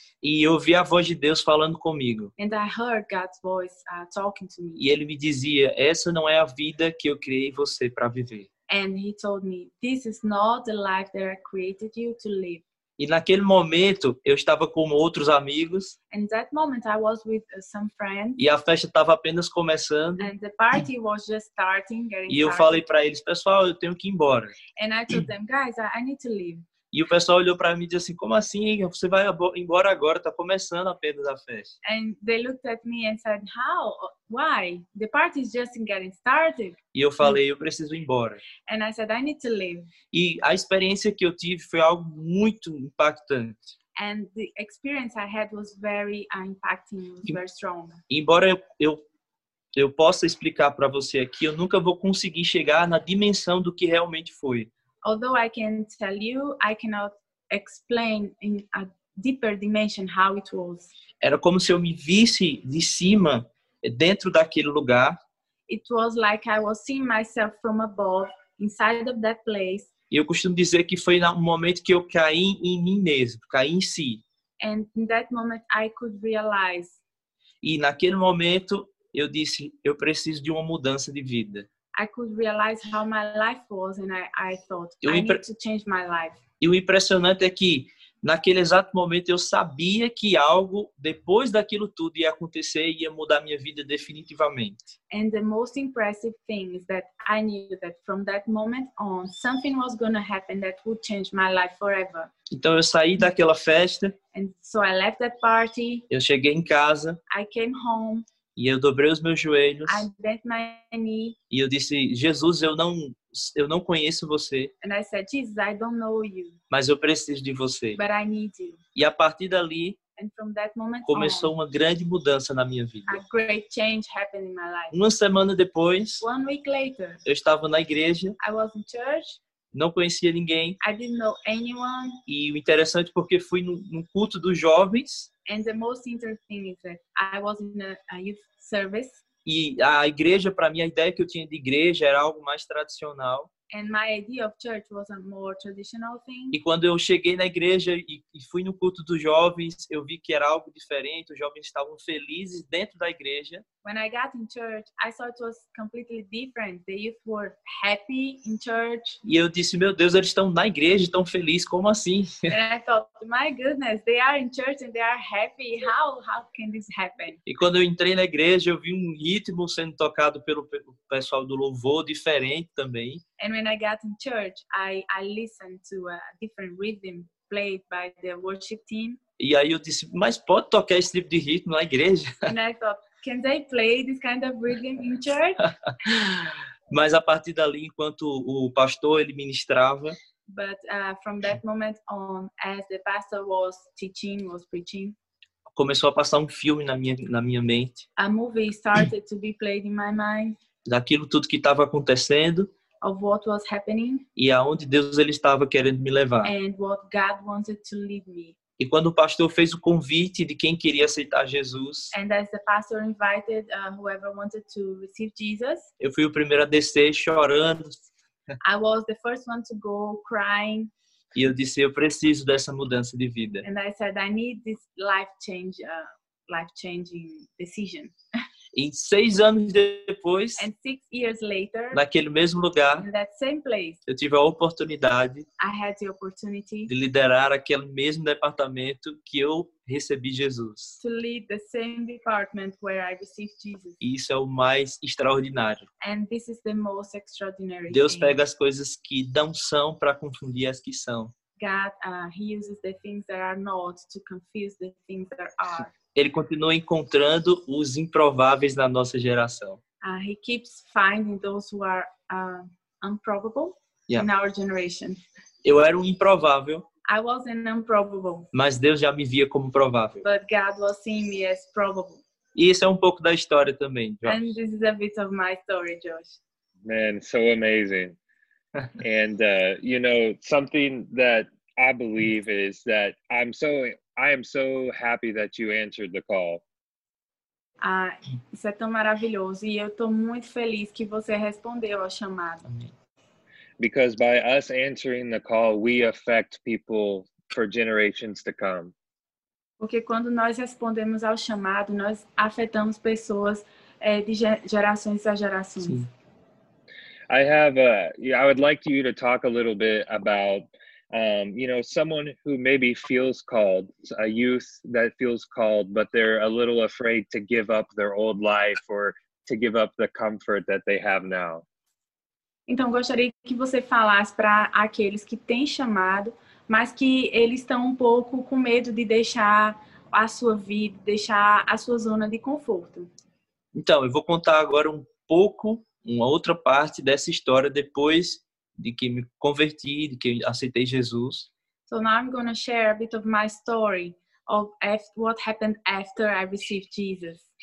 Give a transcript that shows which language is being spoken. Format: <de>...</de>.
<pt>e eu ouvi a voz de Deus falando comigo,</pt> <en>and I heard God's voice talking to me,</en> <pt>e ele me dizia, essa não é a vida que eu criei você para viver,</pt> <en>and he told me, this is not the life that I created you to live.</en> <pt>E naquele momento, eu estava com outros amigos.</pt> <en>And that moment, I was with some friends.</en> <pt>E a festa estava apenas começando.</pt> <en>And the party was just starting.</en> <pt>E eu falei para eles, pessoal, eu tenho que ir embora.</pt> <en>And I told them, guys, I need to leave.</en> <pt>E o pessoal olhou para mim e disse assim, como assim, hein? Você vai embora agora, está começando apenas a festa.</pt> <en>And they looked at me and said, how? Why? The party is just getting started.</en> <pt>E eu falei, eu preciso ir embora.</pt> <en>And I said, I need to leave.</en> <pt>E a experiência que eu tive foi algo muito impactante.</pt> <en>And the experience I had was very impacting, was very strong.</en> <pt>Embora eu possa explicar para você aqui, eu nunca vou conseguir chegar na dimensão do que realmente foi.</pt> <en>Although I can tell you, I cannot explain in a deeper dimension how it was.</en> <pt>Era como se eu me visse de cima, dentro daquele lugar.</pt> <en>It was like I was seeing myself from above, inside of that place.</en> <pt>E eu costumo dizer que foi no momento que eu caí em mim mesmo, caí em si.</pt> <en>And in that moment, I could realize.</en> <pt>E naquele momento, eu disse, eu preciso de uma mudança de vida.</pt> <en>I could realize how my life was and I thought, I need to change my life.</en> <pt>E o impressionante é que, naquele exato momento, eu sabia que algo, depois daquilo tudo, ia acontecer e ia mudar minha vida definitivamente.</pt> <en>And the most impressive thing is that I knew that from that moment on, something was going to happen that would change my life forever.</en> <pt>Então, eu saí daquela festa.</pt> <en>And so, I left that party.</en> <pt>Eu cheguei em casa.</pt> <en>I came home.</en> <pt>E eu dobrei os meus joelhos.</pt> <en>I bent my knee.</en> <pt>E eu disse, Jesus, eu não conheço você.</pt> <en>And I said, Jesus, I don't know you.</en> <pt>Mas eu preciso de você.</pt> <en>But I need you.</en> <pt>E a partir dali,</pt> <en>and from that moment</en> <pt>começou</pt> <en>on,</en> <pt>uma grande mudança na minha vida.</pt> <en>A great change happened in my life.</en> <pt>Uma semana depois,</pt> <en>one week later,</en> <pt>eu estava na igreja.</pt> <en>I was in church.</en> <pt>Não conhecia ninguém.</pt> <en>I didn't know anyone.</en> <pt>E o interessante porque fui num culto dos jovens.</pt> <en>And the most interesting is that I was in a youth service.</en> <pt>E a igreja, para mim, a ideia que eu tinha de igreja era algo mais tradicional.</pt> <en>And my idea of church was a more traditional thing.</en> <pt>E quando eu cheguei na igreja e fui no culto dos jovens, eu vi que era algo diferente. Os jovens estavam felizes dentro da igreja.</pt> <en>When I got in church, I saw it was completely different. The youth were happy in church.</en> <pt>E eu disse, meu Deus, eles estão na igreja e estão felizes. Como assim?</pt> <en>And I thought, my goodness, they are in church and they are happy. How can this happen?</en> <pt>E quando eu entrei na igreja, eu vi um ritmo sendo tocado pelo pessoal do louvor diferente também.</pt> <en>And when I got in church, I listened to a different rhythm played by the worship team.</en> <pt>E aí eu disse, mas pode tocar esse tipo de ritmo na igreja?</pt> <en>And I thought, can they play this kind of rhythm in church?</en> <pt>Mas a partir dali, enquanto o pastor ele ministrava,</pt> <en>but from that moment on, as the pastor was preaching,</en> <pt>começou a passar um filme na minha mente.</pt> <en>A movie started to be played in my mind.</en> <pt>Daquilo tudo que estava acontecendo.</pt> <en>Of what was happening.</en> <pt>E aonde Deus ele estava querendo me levar.</pt> <en>And what God wanted to lead me.</en> <pt>E quando o pastor fez o convite de quem queria aceitar Jesus.</pt> <en>And as the pastor invited whoever wanted to receive Jesus.</en> <pt>Eu fui o primeiro a descer chorando.</pt> <en>I was the first one to go crying.</en> <pt>E eu disse, eu preciso dessa mudança de vida.</pt> <en>And I said, I need this life-changing decision.</en> <pt>E 6 anos depois,</pt> <en>and 6 years later,</en> <pt>naquele mesmo lugar,</pt> <en>in that same place,</en> <pt>eu tive a oportunidade,</pt> <en>I had the opportunity,</en> <pt>de liderar aquele mesmo departamento que eu recebi Jesus.</pt> <en>To lead the same department where I received Jesus.</en> <pt>E isso é o mais extraordinário.</pt> <en>And this is the most extraordinary</en> <pt>Deus</pt> <en>thing.</en> <pt>Pega as coisas que não são para confundir as que são.</pt> <en>God, he uses the things that are not to confuse the things that are.</en> <pt>Ele continua encontrando os improváveis na nossa geração.</pt> <en>He keeps finding those who are improbable in our generation.</en> <pt>Eu era um improvável.</pt> <en>I was an improbable.</en> <pt>Mas Deus já me via como provável.</pt> <en>But God was seeing me as probable.</en> <pt>E isso é um pouco da história também, Josh.</pt> <en>And this is a bit of my story, Josh. Man, so amazing. And, you know, something that I believe is that I am so happy that you answered the call.</en> <pt>Ah, isso é tão maravilhoso e eu tô muito feliz que você respondeu ao chamado.</pt> <en>Because by us answering the call, we affect people for generations to come.</en> <pt>Porque quando nós respondemos ao chamado, nós afetamos pessoas de gerações a gerações. Sim.</pt> <en>I would like you to talk a little bit about you know, someone who maybe feels called, a youth that feels called, but they're a little afraid to give up their old life or to give up the comfort that they have now.</en> <pt>Então, gostaria que você falasse para aqueles que têm chamado, mas que eles estão um pouco com medo de deixar a sua vida, deixar a sua zona de conforto. Então, eu vou contar agora um pouco, uma outra parte dessa história depois de que me converti, de que aceitei Jesus.</pt> <en>So now I'm going to share a bit of my story of what happened after I received Jesus.</en>